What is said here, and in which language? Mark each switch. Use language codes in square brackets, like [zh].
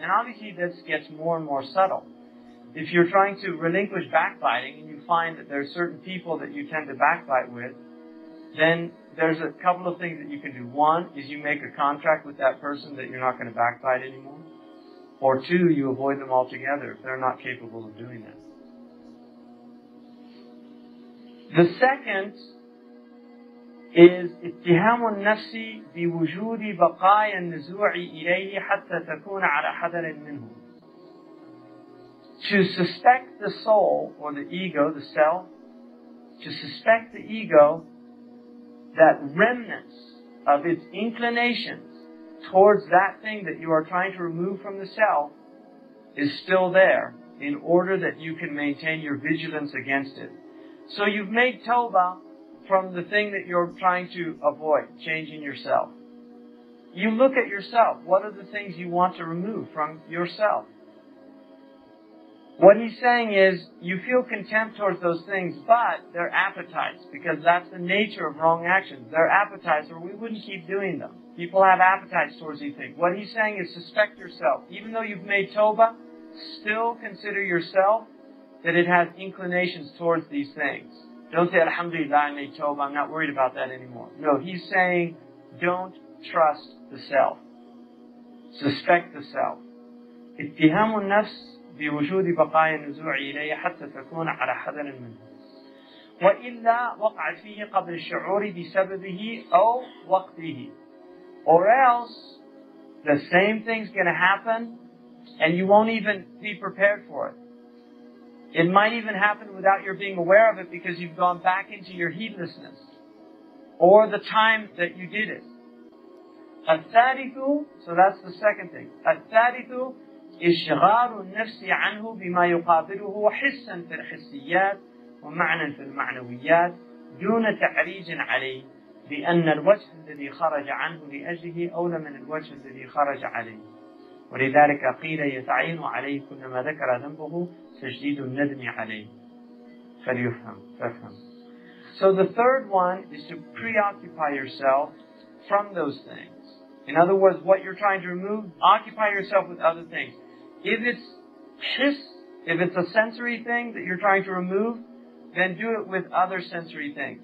[en] And obviously this gets more and more subtle. If you're trying to relinquish backbiting and you find that there are certain people that you tend to backbite with, then there's a couple of things that you can do. One is you make a contract with that person that you're not going to backbite anymore. Or two, you avoid them altogether if they're not capable of doing that. The second is [ar] اتهام النفس بوجود بقايا النزوع إليه حتى تكون على حذر منه. [en] To suspect the soul or the ego, the self, to suspect the ego that remnants of its inclinations towards that thing that you are trying to remove from the self is still there in order that you can maintain your vigilance against it. So you've made tawbah from the thing that you're trying to avoid, changing yourself. You look at yourself. What are the things you want to remove from yourself? What he's saying is, you feel contempt towards those things, but they're appetites, because that's the nature of wrong actions. They're appetites, or we wouldn't keep doing them. People have appetites towards these things. What he's saying is, suspect yourself. Even though you've made tawbah, still consider yourself that it has inclinations towards these things. Don't say, alhamdulillah, I made tawbah, I'm not worried about that anymore. No, he's saying, don't trust the self. Suspect the self. [ar] اتهام النفس بوجود بقايا النزوع إليه حتى تكون على حذر منه. وإلا وقع فيه قبل الشعور بسببه أو وقته. [en] Or else, the same thing's gonna happen, and you won't even be prepared for it. It might even happen without your being aware of it, because you've gone back into your heedlessness. Or the time that you did it. [ar] الثالث, [en] so that's the second thing. [ar] الثالث, إشغار النفس عنه بما يقابله حسا في الحسيات ومعنى في المعنويات دون تعريج عليه. لأن الوجه الذي خرج عنه لأجله أولى من الوجه الذي خرج عليه ولذلك قيل يتعين عليه كلما ذكر ذنبه تجديد الندم عليه فليفهم فهم. [en] So the third one is to preoccupy yourself from those things. In other words, what you're trying to remove, occupy yourself with other things. If it's chis, if it's a sensory thing that you're trying to remove, then do it with other sensory things.